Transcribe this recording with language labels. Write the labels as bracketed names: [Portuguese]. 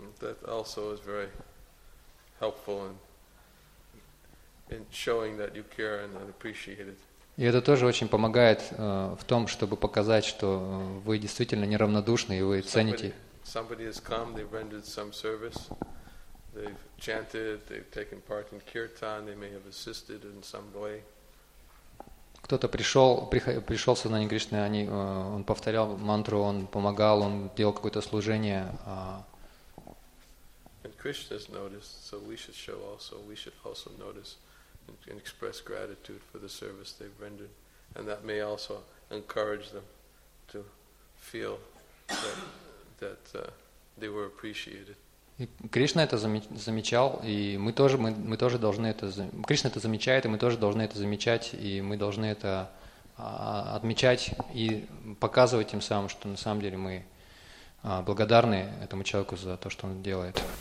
[English] That also is very helpful in showing that you care and appreciate it. [Russian] И это тоже очень помогает в том, чтобы показать, что вы действительно неравнодушны, и вы цените. [English] Somebody has come, they've rendered some service, they've chanted, they've taken part in kirtan, they may have assisted in some way. [Russian] Кто-то пришел сознание Кришны, он повторял мантру, он помогал, он делал какое-то служение. [English] And Krishna's noticed, so we should also notice and express gratitude for the service they've rendered. And that may also encourage them to feel that they were appreciated. [Russian] И Кришна это замечал, и мы тоже должны это замечать. Кришна это замечает, и мы тоже должны это замечать, и мы должны это отмечать и показывать тем самым, что на самом деле мы благодарны этому человеку за то, что он делает.